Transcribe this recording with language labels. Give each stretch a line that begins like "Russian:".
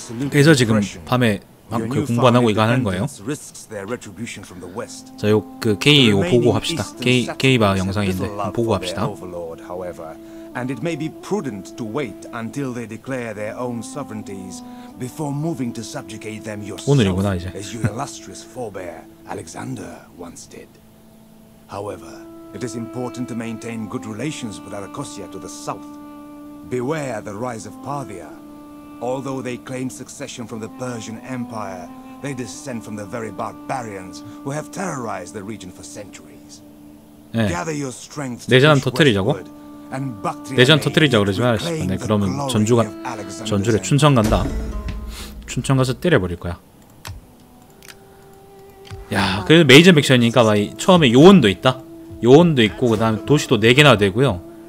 Korean: 그래서 지금 밤에 막 그 공부 안 하고 이거 하는 거예요. 자, 요 그 K 요 보고 합시다. K 바 영상인데 보고 합시다.
English: And it may be prudent to wait until they declare their own sovereignties before moving to subjugate them yourself, as your illustrious forebear Alexander once did. However, it is important to maintain good relations with Arachosia to the south. Beware the rise of Parthia. Although they claim succession from the Persian Empire, they descend from the very barbarians who have terrorized the region for centuries. 네. Gather your strength to push forward.
Korean: 내전 터뜨리자 그러지 마. 네, 그러면 전주에 춘천 간다. 춘천 가서 때려버릴 거야. 야, 그래도 메이저 맥션이니까 막 처음에 요원도 있다. 요원도 있고 그 다음에 도시도 4개나 되고요.